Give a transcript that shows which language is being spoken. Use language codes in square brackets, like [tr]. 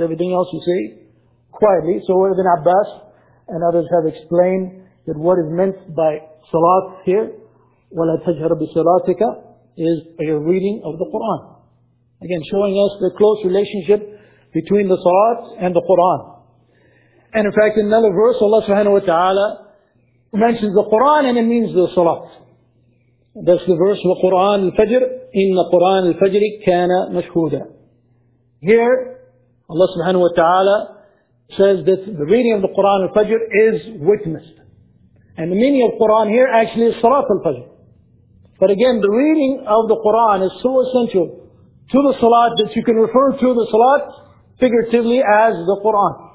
[en] Everything else you say quietly. So Ibn Abbas and others have explained that what is meant by salat here, [ar] وَلَا تَجْهَرْ بِصَلَاتِكَ, [en] is a reading of the Qur'an. Again, showing us the close relationship between the salat and the Qur'an. And in fact, in another verse, Allah subhanahu wa ta'ala mentions the Qur'an and it means the salat. That's the verse, [ar] وَقُرْآنِ الْفَجْرِ إِنَّ قُرْآنِ الْفَجْرِ كَانَ مَشْهُودًا. [en] Here, Allah subhanahu wa ta'ala says that the reading of the Qur'an al-Fajr is witnessed. And the meaning of Qur'an here actually is Salat al-Fajr. But again, the reading of the Qur'an is so essential to the Salat that you can refer to the Salat figuratively as the Qur'an.